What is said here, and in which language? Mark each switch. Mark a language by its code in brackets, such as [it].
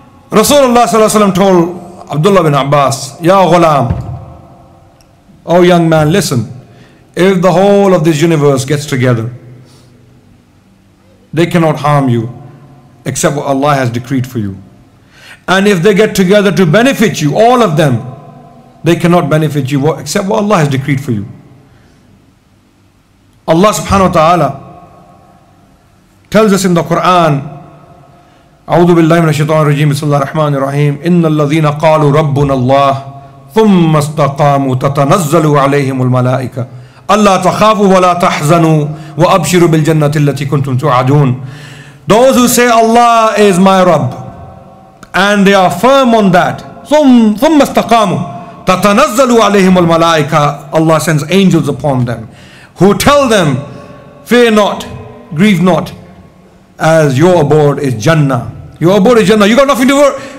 [en] Rasulullah sallallahu alaihi wasallam told Abdullah bin Abbas, Ya Ghulam, O young man, listen, if the whole of this universe gets together, they cannot harm you except what Allah has decreed for you. And if they get together to benefit you, all of them, they cannot benefit you except what Allah has decreed for you. Allah subhanahu wa ta'ala tells us in the Quran, [ar] أعوذ بالله من الشيطان الرجيم بسم الله الرحمن الرحيم إن الذين قالوا ربنا الله ثم استقاموا تتنزل عليهم الملائكة ألا تخافوا ولا تحزنوا وأبشروا بالجنة التي كنتم توعدون. [en] Those who say Allah is my Rabb and they are firm on that, [ar] ثم استقاموا تتنزل عليهم الملائكة, [en] Allah sends angels upon them who tell them, fear not, grieve not, as your abode is Jannah. Your abode is Jannah. You got nothing to worry.